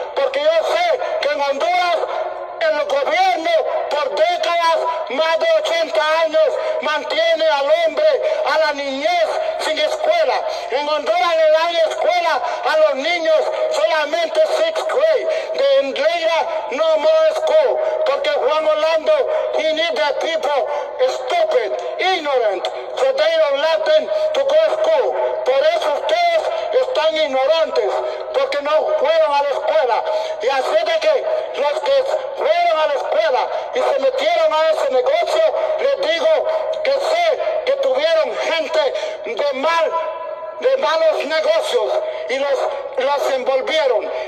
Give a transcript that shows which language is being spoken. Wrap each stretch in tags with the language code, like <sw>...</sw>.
<es>Porque yo sé que en Honduras, el gobierno por décadas, más de 80 años, mantiene al hombre, a la niñez, sin escuela. En Honduras le dan escuela a los niños solamente</es> <en>sixth grade. De Honduras no more school.</en> <es>Porque</es> <en>Juan Orlando, he need the people stupid, ignorant, so they don't let them to go to school.</en> <es>Por eso ustedes están ignorantes, porque no fueron a la escuela. Y así de que los que fueron a la escuela y se metieron a ese negocio, les digo que sé que tuvieron gente de mal, de malos negocios y los envolvieron.</es>